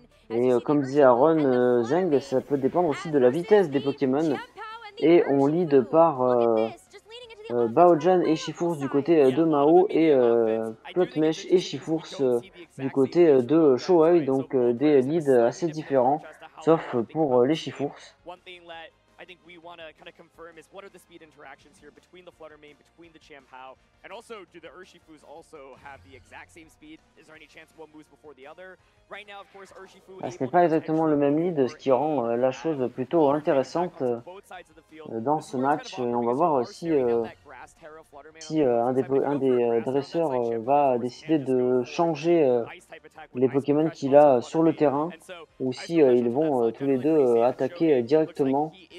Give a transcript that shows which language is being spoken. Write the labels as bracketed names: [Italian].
[French] Et comme disait Aaron Zeng, ça peut dépendre aussi de la vitesse des Pokémon. Et on lead par Baojan et Chifours du côté de Mao et Floatmesh et Chifours du côté de Shoei, donc des leads assez différents. Sauf pour les Chifours. [English] One thing that I think we want to kind of confirm is what are the speed interactions here between the Fluttermane, between the Champao, and also do the Urshifus also have the exact same speed? Is there any chance one moves before the other? Right now, of course, Urshifu. [French] Ce n'est pas exactement le même lead, ce qui rend la chose plutôt intéressante dans ce match. Et on va voir si un des dresseurs va décider de changer les Pokémon qu'il a sur le terrain, ou si ils vont tous les deux attaquer directement.